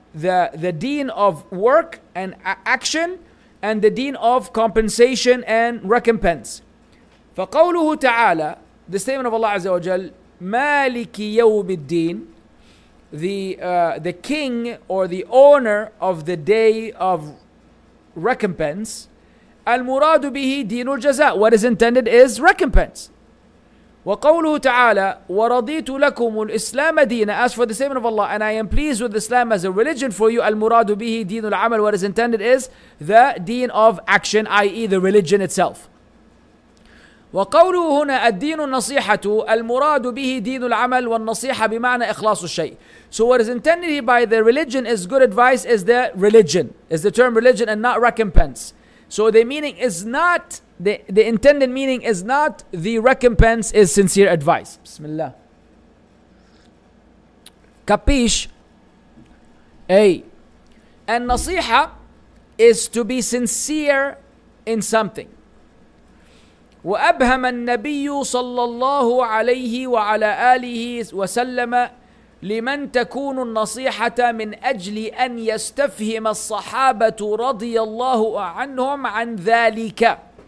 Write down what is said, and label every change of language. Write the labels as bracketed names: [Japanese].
[English] The deen of work and action, and the deen of compensation and recompense. [Arabic] فَقَوْلُهُ تَعَالَى. [English] The statement of Allah Azza wa Jal, [Arabic] مَالِكِ يَوْمِ الدِّينِ. [English] The king or the owner of the day of recompense. [Arabic] المراد به دين الجزاء. [English] What is intended is recompense. [Arabic] وقوله تعالى ورضيت لكم الإسلام دينا. [English] As for the statement of Allah, and I am pleased with Islam as a religion for you. [Arabic] المراد به دين العمل. [English] What is intended is the deen of action, i.e. the religion itself. [Arabic] وقوله هنا الدين النصيحة. المراد به دين العمل والنصيحة بمعنى إخلاص الشيء. [English] So what is intended by the religion is good advice, is the religion, is the term religion, and not recompense. So the meaning is not, the intended meaning is not the recompense, is sincere advice. Bismillah. Kapish. Hey. And nasiha is to be sincere in something. [Arabic] Wa abhama an-nabiyyu sallallahu alayhi wa ala alihi wa sallama لمن تكون النصيحة من أجل أن يستفهم الصحابة رضي الله عنهم عن ذلك.